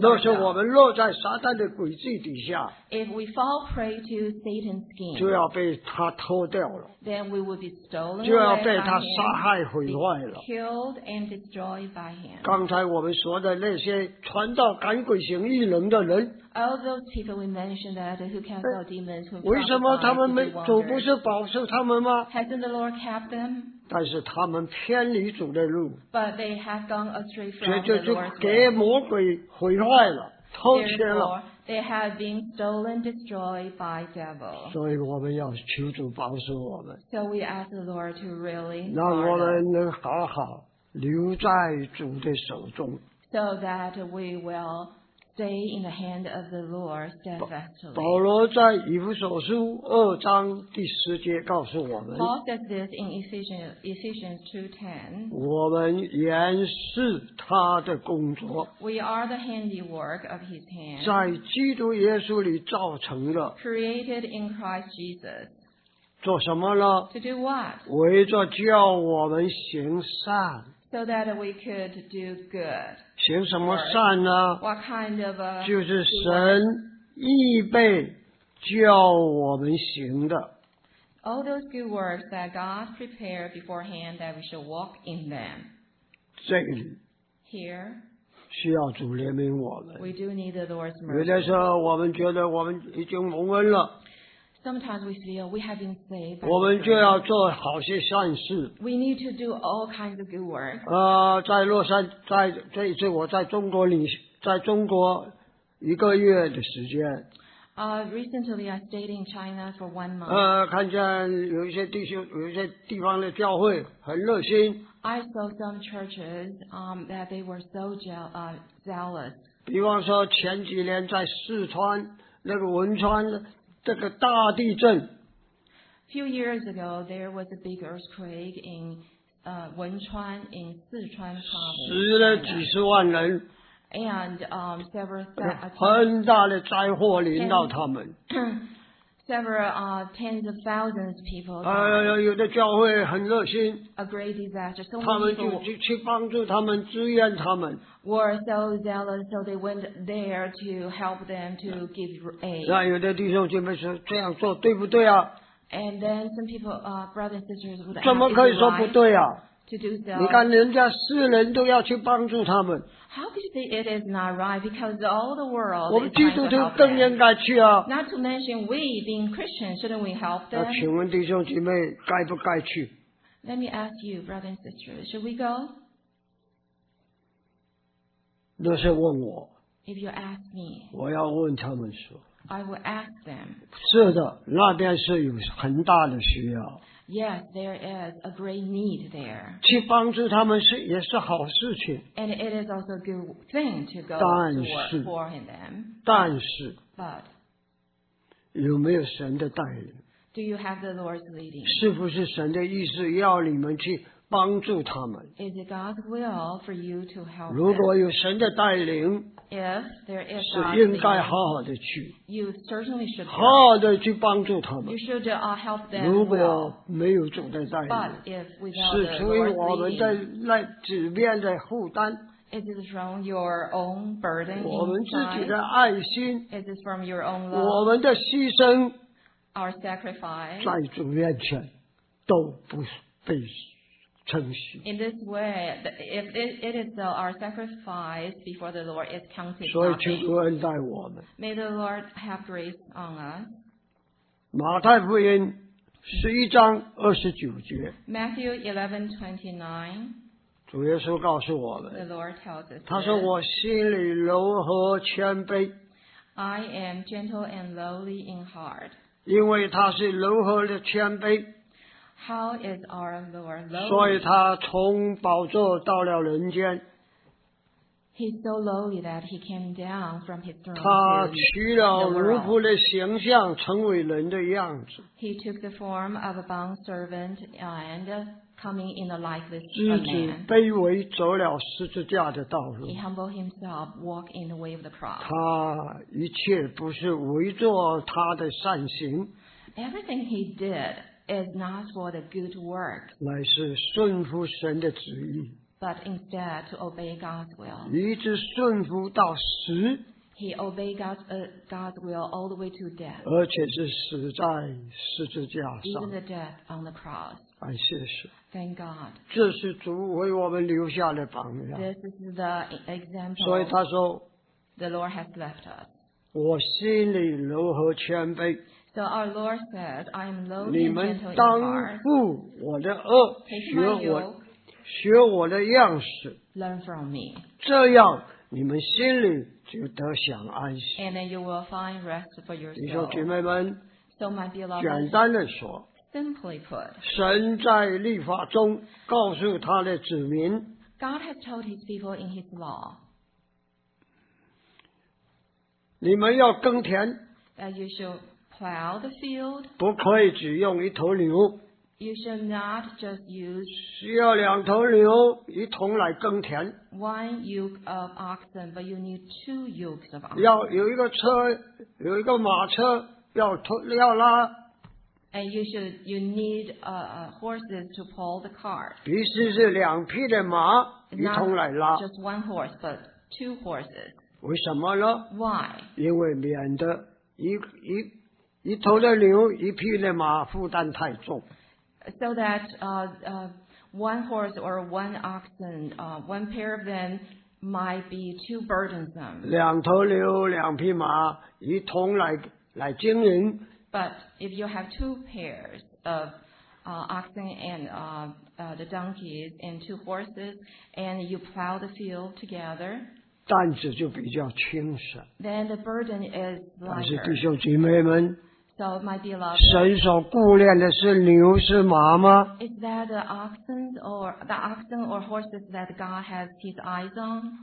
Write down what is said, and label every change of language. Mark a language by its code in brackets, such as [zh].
[zh] 那是我们落在撒旦的诡计底下。 [en] If we fall prey to Satan's scheme, [zh] 就要被他偷掉了。 [en] Then we will be stolen. [zh] 就要被他杀害毁坏了。 [en] Killed and destroyed by him. [zh] 刚才我们说的那些传道赶鬼行异能的人。 [en] All those people we mentioned that who cast out demons, who [zh] 为什么他们没主不是保守他们吗 [en] ？Hasn't the Lord kept them？ [zh] 但是他们偏离主的路。 [en] But they have gone astray from the Lord's way. [zh] 就给魔鬼毁坏了，偷窃了。 [en] They have been stolen, destroyed by devil. [zh] 所以我们要求主保守我们。 [en] So we ask the Lord to really [zh] 让我们能好好留在主的手中。 [en] So that we will. Stay in the hand of the Lord steadfastly. [zh] 保罗在以弗所书二章第十节告诉我们 [en] Paul says this in Ephesians 2:10. [zh] 我们原是他的工作 [en] We are the handiwork of his hand. [zh] 在基督耶稣里造成的 [en] Created in Christ Jesus. [zh] 做什么呢 [en] To do what? [zh] 为着叫我们行善 [en] So that we could do good. [zh] 行什么善呢 [en] What kind of a [zh] 就是神预备叫我们行的 [en] All those good works that God prepared beforehand that we should walk in them [zh] 这里 [en] Here [zh] 需要主怜悯我们 [en] We do need the Lord's mercy [zh] 有的时候我们觉得我们已经蒙恩了 [en] Sometimes we feel we have been saved [zh] 我们就要做好些善事 [en] We need to do all kinds of good works [zh] 在洛杉矶这一次我在中国里在中国一个月的时间 [en] Recently, I stayed in China for 1 month. [zh] 看见有一些弟兄，有一些地方的教会很热心。 [en] I saw some churches, that they were so zealous. [zh] 比方说前几年在四川那个汶川这个大地震。 [en] Few years ago, there was a big earthquake in, 汶川 in 四川 province. [zh] 死了几十万人。 [en] And several [zh] a 很大的灾祸临到他们 [en] several tens of thousands of people. [zh] 有的教会很热心。 [en] A great disaster. So [zh] 他们就去帮助他们，支援他们。 [en] Were so zealous, so they went there to help them to give aid. [zh] 那有的弟兄姐妹说这样做对不对啊？ [en] And then some people, brothers and sisters would ask, [zh] 怎么可以说不对啊？ [en] To do so. [zh] 你看人家世人都要去帮助他们。 [en] How could you say it is not right? Because all the world. [zh] 我们基督徒更应该去啊。 [en] Not to mention we being Christians, shouldn't we help them? [zh] 那请问弟兄姐妹该不该去？ [en] Let me ask you, brothers and sisters, should we go? [zh] 那是问我。 [en] If you ask me. [zh] 我要问他们说。 [en] I will ask them. [zh] 是的，那边是有很大的需要。 [en] Yes, there is a great need there. [zh] 去帮助他们是也是好事情。 [en] And it is also a good thing to go to work for them. [zh] 但是。 [en] But. [zh] 有没有神的带领？ [en] Do you have the Lord's leading? [zh] 是不是神的意思要你们去帮助他们？ [en] Is it God's will for you to help them? [zh] 如果有神的带领。 [en] If there is God's leading, [zh] 是应该好好的去。 [en] You certainly should. [zh] 好好的去帮助他们。 [en] You should help them. [zh] 如果没有主的带领。 [en] But if without the [zh] 是出于我们的那纸面的负担。 [en] Is it from your own burden inside? [zh] 我们自己的爱心。 [en] Is it from your own love? [zh] 我们的牺牲。 [en] Our sacrifice. [zh] 在主面前都不被称许。 [en] In this way, if it is so, our sacrifice before the Lord is counted nothing. [zh] 所以求主恩待我们。 [en] May the Lord have grace on us. [zh] 马太福音十一章二十九节。 [en] Matthew 11:29. [zh] 主耶稣告诉我们。 [en] The Lord tells us. [zh] 他说我心里柔和谦卑。 [en] I am gentle and lowly in heart. [zh] 因为他是柔和的谦卑。 [en] How is our Lord lowly? [zh] 所以他从宝座到了人间。 [en] He's so lowly that he came down from his throne. [zh] 他取了奴仆的形象，成为人的样子。 [en] He took the form of a bond servant and coming in the likeness of man. [zh] 自己卑微走了十字架的道路。 [en] He humbled himself, walked in the way of the cross. [zh] 他一切不是为做他的善行。 [en] Everything he did. Is not for the good work, [zh] 乃是顺服神的旨意。 [en] But instead to obey God's will, [zh] 一直顺服到死。 [en] He obeyed God's will all the way to death, [zh] 而且是死在十字架上。 [en] Even the death on the cross. [zh] 感谢神。 [en] Thank God. [zh] 这是主为我们留下的榜样。 [en] This is the example. [zh] 所以他说 [en] ，The Lord has left us. [zh] 我心里柔和谦卑。 [en] So our Lord said, I am lowly and gentle in heart. [zh] 你们当负我的轭，学我的样式。 [en] Learn from me. [zh] 这样你们心里就得享安息。 [en] And then you will find rest for your soul. [zh] 弟兄姐妹们， [en] so my beloved, [zh] 简单的说， [en] simply put, [zh] 神在律法中告诉他的子民， [en] God has told his people in his law. [zh] 你们要耕田。 [en] That you should plow the field. [zh] 不可以只用一头牛。 [en] You should not just use. [zh] 需要两头牛一同来耕田。 [en] One yoke of oxen, but you need two yokes of oxen. [zh] 要有一个车，有一个马车要拉。 [en] And you need horses to pull the cart. [zh] 必须是两匹的马一同来拉。 [en] Not just one horse, but two horses. [zh] 为什么呢？ [en] Why? [zh] 因为免得一头的牛，一匹的马，负担太重。 [en] So that one horse or one oxen, one pair of them might be too burdensome. [zh] 两头牛，两匹马，一同来经营。 [en] But if you have two pairs of oxen and the donkeys and two horses, and you plow the field together. [zh] 担子就比较轻省。 [en] Then the burden is lighter. [zh] 但是弟兄姐妹们。 [en] So, my beloved, [zh] 神所顾念的是牛是马吗？ [en] Is that the oxen or horses that God has His eyes on?